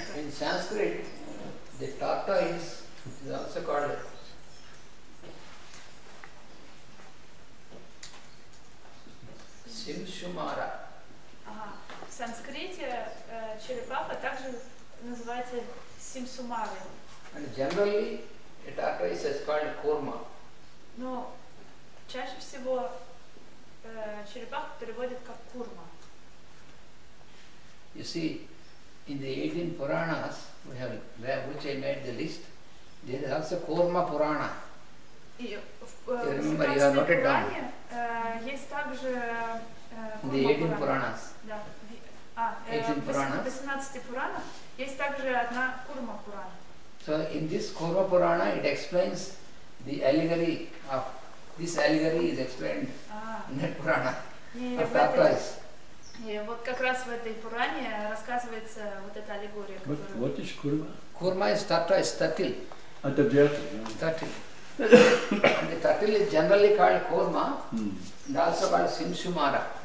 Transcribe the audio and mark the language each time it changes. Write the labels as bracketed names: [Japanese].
[English] In Sanskrit, the tortoise is also called Simshumara. [Russian] Ага. В санскрите черепаха также называется Simshumara. [English] And generally, a tortoise is called Kurma. [Russian] Но чаще всего черепаху переводят как курма. [English] You see, in the 18 Puranas, which I made the list, there is also Kurma Purana. You remember, you have noted down. [Russian] Есть также Курма Пурана. [English] The 18 Puranas. [Russian] Да. 18 Puranas. В 18 Puranах есть также одна Курма Пурана. [English] So in this Kurma Purana, it explains the allegory of this allegory is explained in that Purana of tortoise. [Russian] Вот как раз в этой Пуране рассказывается вот эта аллегория. [English] What is Kurma? Kurma is tortoise, turtle. At the beard. Turtle. The turtle is generally called Kurma and also called Simshumara.